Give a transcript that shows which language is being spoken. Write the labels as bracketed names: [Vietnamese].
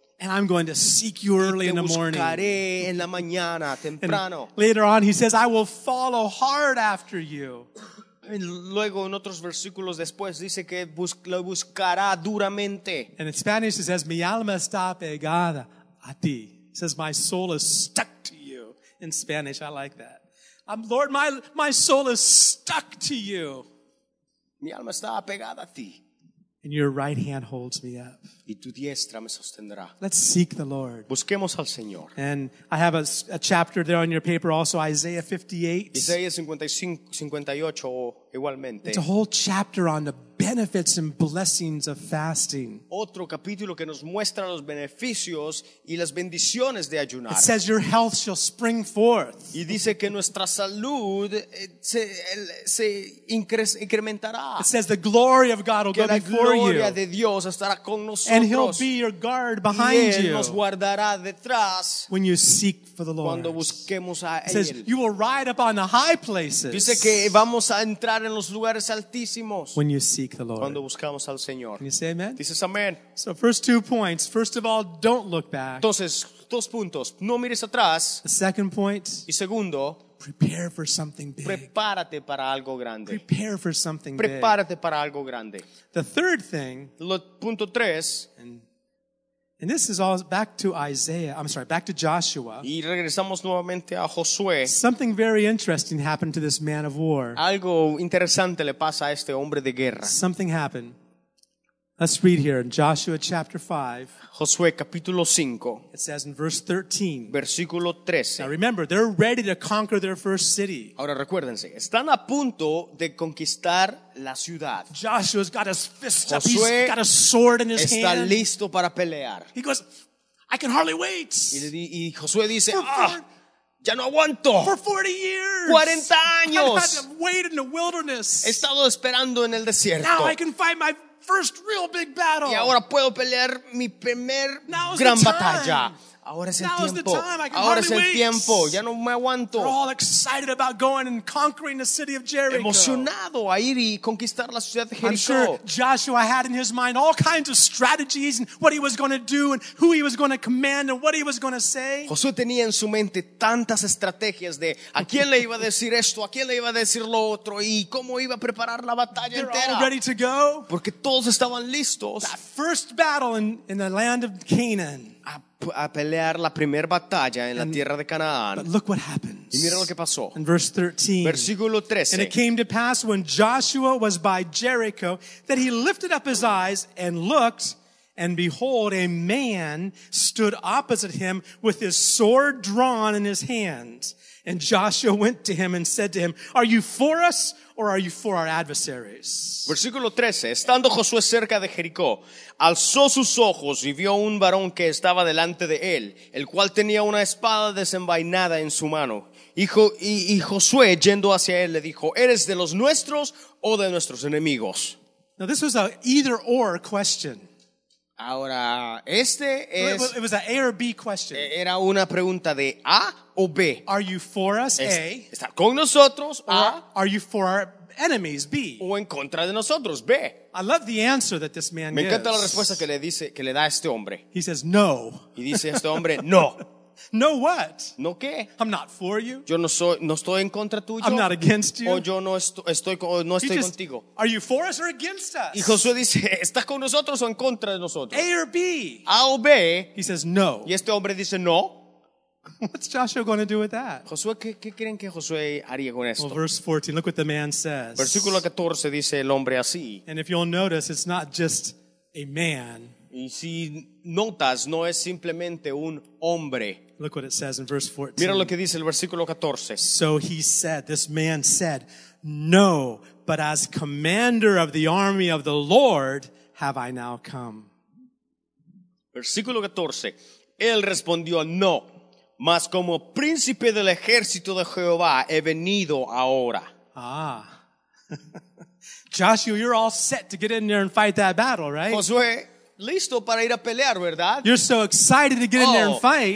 [English] And I'm going to seek you early in the morning. [Spanish] Buscaré en la mañana, temprano. [English] And later on, he says, I will follow hard after you. [Spanish] Y luego en otros versículos después dice que lo buscará duramente. [English] And in Spanish, it says, [Spanish] mi alma está pegada a ti. [English] It says, my soul is stuck to you. In Spanish, I like that. Lord, my soul is stuck to you. [Spanish] Mi alma está apegada a ti. [English] And your right hand holds me up. [Spanish] Y tu diestra me sostendrá. [English] Let's seek the Lord. [Spanish] Busquemos al Señor. [English] And I have a chapter there on your paper also, Isaiah 58. [Spanish] Isaías 55, 58 igualmente. [English] It's a whole chapter on the benefits and blessings of fasting. [Spanish] Otro capítulo que nos muestra los beneficios y las bendiciones de ayunar. [English] It says your health shall spring forth. [Spanish] Y dice que nuestra salud se incrementará. [English] It says the glory of God will [Spanish] que [English] go before you. [Spanish] La gloria de Dios estará con nosotros. [English] And he'll be your guard behind [Spanish] y él [English] you. [Spanish] Nos guardará detrás. [English] When you seek for the Lord. [Spanish] Cuando busquemos a él. [English] It says you will ride up on the high places. [Spanish] Dice que vamos a entrar en los lugares altísimos. [English] When you seek the Lord. [Spanish] Cuando buscamos al Señor. [English] Can you say amen? [Spanish] Dices amén. [English] So first 2 points. First of all, don't look back. [Spanish] Entonces, 2 puntos. No mires atrás. [English] The second point. [Spanish] Y segundo. [English] Prepare for something big. [Spanish] Prepárate para algo grande. [English] Prepare for something big. [Spanish] Prepárate para algo grande. [English] The third thing. [Spanish] Punto tres. [English] And And this is all back to Isaiah. I'm sorry, back to Joshua. [Spanish] Y regresamos nuevamente a Josué. [English] Something very interesting happened to this man of war. [Spanish] Algo interesante le pasa a este hombre de guerra. [English] Something happened. Let's read here in Joshua chapter 5. [Spanish] Josué capítulo 5. [English] It says in verse 13. [Spanish] Versículo 13. [English] Now remember, they're ready to conquer their first city. [Spanish] Ahora recuérdense, están a punto de conquistar la ciudad. [English] Joshua's got his fist up. He's got a sword in his hand. [Spanish] Está listo para pelear. [English] He goes, I can hardly wait. [Spanish] Y Josué dice, ya no aguanto. [English] For 40 years. [Spanish] 40 años. [English] I've had to wait in the wilderness. [Spanish] He estado esperando en el desierto. [English] Now I can fight my first real big battle. [Spanish] Y ahora puedo pelear mi primer [English] now [Spanish] gran [English] the [Spanish] batalla. Ahora es [English] now [Spanish] el tiempo. Ahora es el [English] wait. [Spanish] Tiempo. Ya no me aguanto. [English] We're all excited about going and conquering the city of Jericho. [Spanish] Emocionado a ir y conquistar la ciudad de Jericho. [English] I'm sure Joshua had in his mind all kinds of strategies and what he was going to do and who he was going to command and what he was going to say. [Spanish] Josué tenía en su mente tantas estrategias de a quién le iba a decir esto, a quién le iba a decir lo otro y cómo iba a preparar la batalla [English] They're [Spanish] entera. [English] All ready to go. [Spanish] Porque todos estaban listos. [English] That first battle in the land of Canaan. [Spanish] A pelear la primera batalla en la tierra de Canaán. [English] But look what happens. [Spanish] Y mira lo que pasó. [English] In verse 13. [Spanish] Versículo 13. [English] And it came to pass when Joshua was by Jericho that he lifted up his eyes and looked, and behold, a man stood opposite him with his sword drawn in his hand. And Joshua went to him and said to him, are you for us or are you for our adversaries? [Spanish] Versículo 13. Estando Josué cerca de Jericó, alzó sus ojos y vio un varón que estaba delante de él, el cual tenía una espada desenvainada en su mano. Y Josué, yendo hacia él, le dijo, ¿eres de los nuestros o de nuestros enemigos? [English] Now this was an either or question. [Spanish] Ahora, este es... [English] It was an A or B question. [Spanish] Era una pregunta de A o B. [English] Are you for us, A? [Spanish] ¿Está con nosotros, A? [English] Are you for our enemies, B? [Spanish] ¿O en contra de nosotros, B? [English] I love the answer that this man [Spanish] Me encanta [English] gives. [Spanish] La respuesta que le dice, que le da este hombre. [English] He says, no. [Spanish] Y dice este hombre, no. [English] No what? [Spanish] No qué? [English] I'm not for you. [Spanish] Yo no soy, no estoy en contra tuyo. [English] I'm not against you. [Spanish] O yo no estoy [English] just, [Spanish] contigo. [English] Are you for us or against us? [Spanish] Y Josué dice, ¿estás con nosotros o en contra de nosotros? [English] A or B? [Spanish] A o B? [English] He says no. [Spanish] Y este hombre dice no. [English] What's Joshua going to do with that? [Spanish] Josué, ¿qué creen que Josué haría con esto? [English] Well, verse 14. Look what the man says. [Spanish] Versículo 14 dice el hombre así. [English] And if you'll notice, it's not just a man. [Spanish] Y si notas, no es simplemente un hombre. [English] Look what it says in verse 14. [Spanish] Mira lo que dice el versículo 14. [English] So he said, this man said, no, but as commander of the army of the Lord have I now come. [Spanish] Versículo 14. Él respondió, no, mas como príncipe del ejército de Jehová he venido ahora. Ah. [English] Joshua, you're all set to get in there and fight that battle, right? [Spanish] Josué. Listo para ir a pelear, ¿verdad? [English] You're so excited to get in there and fight.